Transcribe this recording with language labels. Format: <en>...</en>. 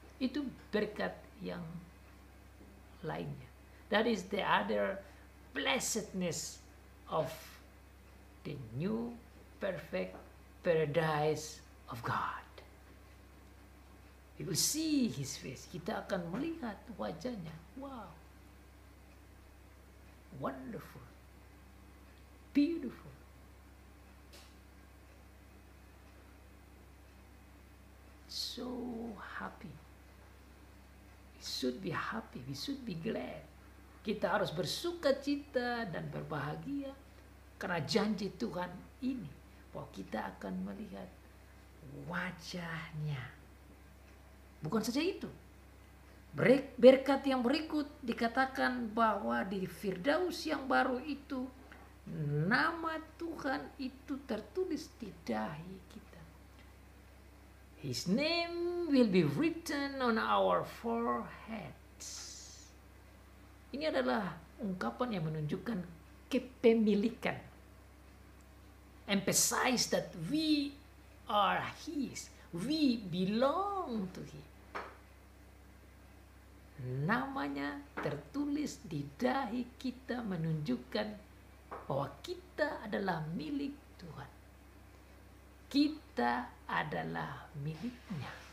<id>Itu berkat yang lainnya.</id> <en>That is the other blessedness of the new perfect paradise of God. We will see His face.</en> <id>Kita akan melihat wajahnya. Wow.</id> <en>Wonderful. Beautiful. So happy. We should be happy. We should be glad.</en> <id>Kita harus bersuka cita dan berbahagia karena janji Tuhan ini, bahwa kita akan melihat wajah-Nya. Bukan saja itu, berkat yang berikut dikatakan bahwa di Firdaus yang baru itu, nama Tuhan itu tertulis di dahi kita.</id> <en>His name will be written on our foreheads.</en> <id>Ini adalah ungkapan yang menunjukkan kepemilikan.</id> <en>Emphasize that we are His. We belong to Him.</en> <id>Namanya tertulis di dahi kita menunjukkan bahwa kita adalah milik Tuhan. Kita adalah miliknya.</id>